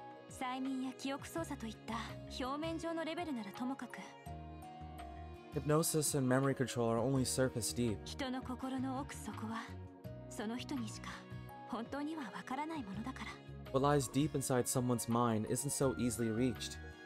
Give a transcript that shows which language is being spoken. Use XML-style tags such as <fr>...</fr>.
<ja>催眠や記憶操作といった表面上のレベルならともかく。</ja> <en>Hypnosis and memory control are only surface deep.</en> <ja>人の心の奥底はその人にしか本当にはわからないものだから。</ja> <en>What lies deep inside someone's mind isn't so easily reached.</en>